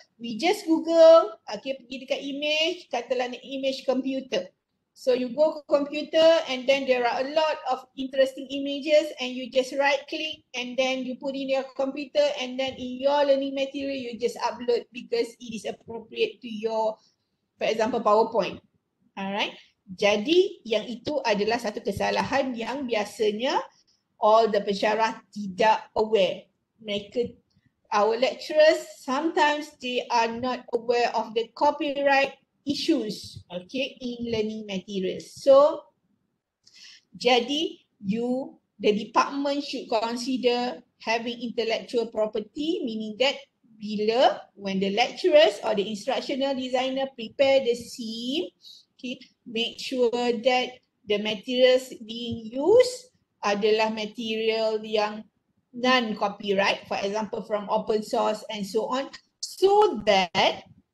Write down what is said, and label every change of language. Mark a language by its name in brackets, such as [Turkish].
[English] We just Google, okay, [Malay] pergi dekat image, katalah ni image computer. [English] So you go to computer and then there are a lot of interesting images and you just right click and then you put in your computer and then in your learning material, you just upload because it is appropriate to your, for example, PowerPoint. Alright. [Malay] Jadi yang itu adalah satu kesalahan yang biasanya [English] all the [Malay] pensyarah tidak aware. Mereka, [English] our lecturers, sometimes they are not aware of the copyright issues, okay, in learning materials. So, [Malay] jadi [English] you, the department should consider having intellectual property, meaning that [Malay] bila, [English] when the lecturers or the instructional designer prepare the scene, okay, make sure that the materials being used [Malay] adalah material yang [English] non-copyright, for example, from open source and so on, so that,